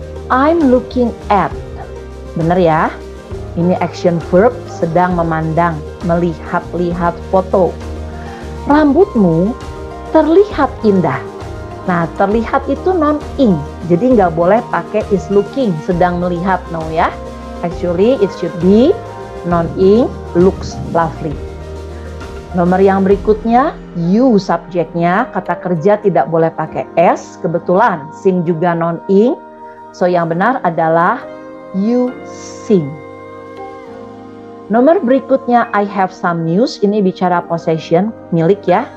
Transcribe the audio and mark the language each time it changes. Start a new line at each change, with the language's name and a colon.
English: I'm looking at.
Indonesian: Benar ya? Ini action verb, sedang memandang, melihat-lihat foto. Rambutmu terlihat indah. Nah, terlihat itu non-ing. Jadi nggak boleh pakai is looking, sedang melihat.
English: No
Indonesian: ya.
English: Actually, it should be non-ing, looks lovely.
Indonesian: Nomor yang berikutnya, you subjeknya. Kata kerja tidak boleh pakai s. Kebetulan, sing juga non-ing.
English: So,
Indonesian: yang benar adalah
English: you sing.
Indonesian: Nomor berikutnya,
English: I have some news.
Indonesian: Ini bicara possession, milik ya.